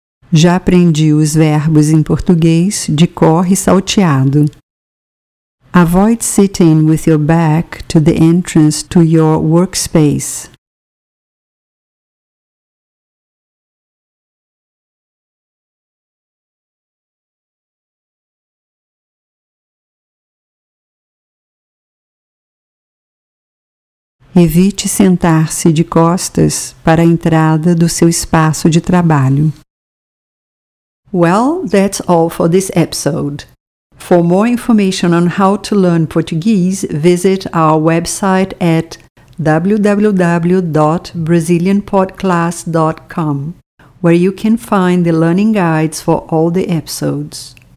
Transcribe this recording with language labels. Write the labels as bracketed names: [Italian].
[Portuguese] Já aprendi os verbos em português de cor e salteado. [English] Avoid sitting with your back to the entrance to your workspace. [Portuguese] Evite sentar-se de costas para a entrada do seu espaço de trabalho. [English] Well, that's all for this episode. For more information on how to learn Portuguese, visit our website at www.brazilianpodclass.com, where you can find the learning guides for all the episodes.